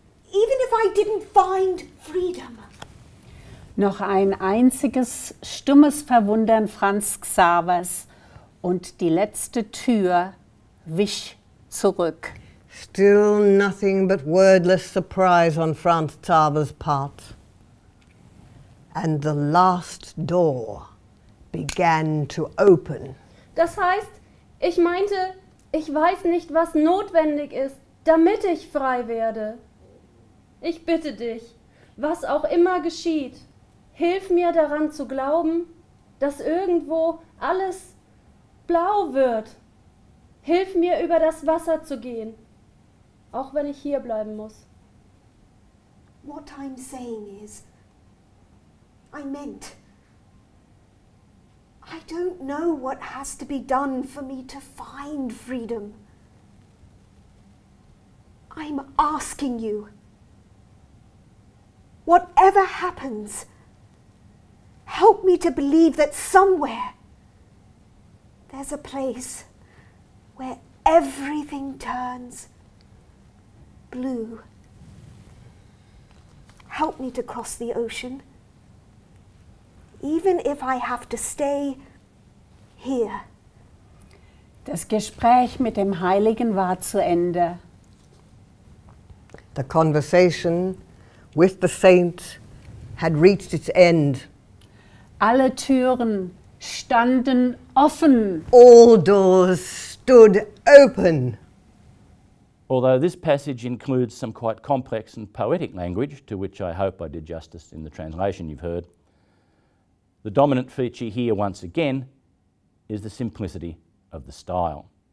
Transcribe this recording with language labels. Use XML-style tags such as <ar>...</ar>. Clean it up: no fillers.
<en>Even if I didn't find freedom.</en> <de>Noch ein einziges stummes Verwundern Franz Xavers und die letzte Tür wich zurück.</de> <en>Still nothing but wordless surprise on Franz Xaver's part. And the last door began to open.</en> <de>Das heißt, ich meinte, ich weiß nicht, was notwendig ist, damit ich frei werde. Ich bitte dich, was auch immer geschieht, hilf mir daran zu glauben, dass irgendwo alles blau wird. Hilf mir, über das Wasser zu gehen, auch wenn ich hier bleiben muss.</de> <en>What I'm saying is, I meant, I don't know what has to be done for me to find freedom. I'm asking you, whatever happens, help me to believe that somewhere there's a place where everything turns blue. Help me to cross the ocean, even if I have to stay here.</en> <de>Das Gespräch mit dem Heiligen war zu Ende.</de> <en>The conversation with the saint had reached its end.</en> <de>Alle Türen standen offen.</de> <en>All doors stood open. Although this passage includes some quite complex and poetic language, to which I hope I did justice in the translation you've heard, the dominant feature here once again is the simplicity of the style.</en>